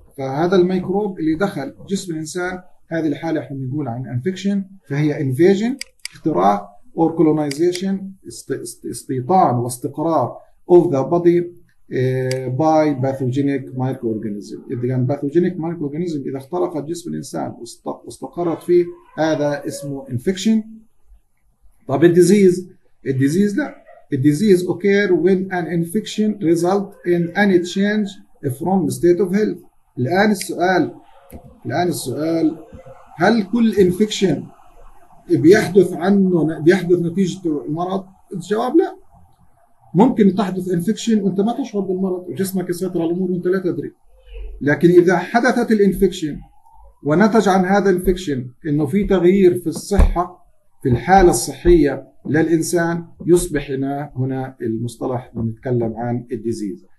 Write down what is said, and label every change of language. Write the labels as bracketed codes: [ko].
[ar] فهذا الميكروب اللي دخل جسم الانسان، هذه الحالة احنا بنقول عن infection، فهي [en] invasion [ar] اختراق [en] or colonization [ar] استيطان واستقرار [en] of the body by pathogenic microorganism. [ar] إذا كان pathogenic microorganism إذا اخترقت جسم الإنسان واستقرت فيه هذا اسمه infection. طب الديزيز لا، الديزيز [en] occur when an infection result in any change from state of health. [ar] الآن السؤال هل كل infection بيحدث نتيجة المرض؟ الجواب لا، ممكن تحدث انفكشن وانت ما تشعر بالمرض وجسمك يسيطر على الامور وانت لا تدري، لكن اذا حدثت الانفكشن ونتج عن هذا الانفكشن انه في تغيير في الصحه في الحاله الصحيه للانسان، يصبح هنا المصطلح بنتكلم عن الديزيز.